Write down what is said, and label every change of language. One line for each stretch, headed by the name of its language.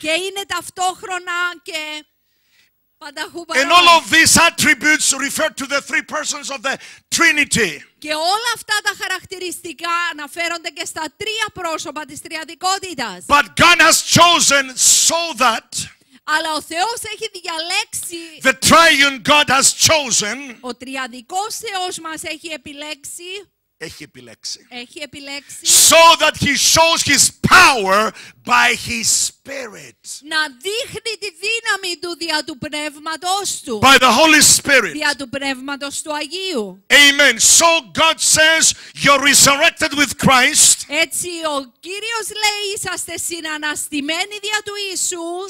Greek: Και είναι ταυτόχρονα και.
English: And all of these attributes refer to the three persons of the Trinity.
Greek: Και όλα αυτά τα χαρακτηριστικά αναφέρονται και στα τρία πρόσωπα της τριαδικότητας.
English: But God has chosen so that.
Greek: Αλλά ο Θεός έχει διαλέξει.
English: The triune God has chosen.
Greek: Ο τριαδικός Θεός μας έχει επιλέξει. Έχει επιλέξει. Έχει επιλέξει.
English: So that he shows his power by his spirit.
Greek: Να δείχνει τη δύναμη του δια του πνεύματος του.
English: By the Holy Spirit.
Greek: Δια του πνεύματος του Αγίου.
English: Amen. So God says you're resurrected with Christ.
Greek: Έτσι ο Κύριος λέει είσαστε συναναστημένοι δια του Ιησού.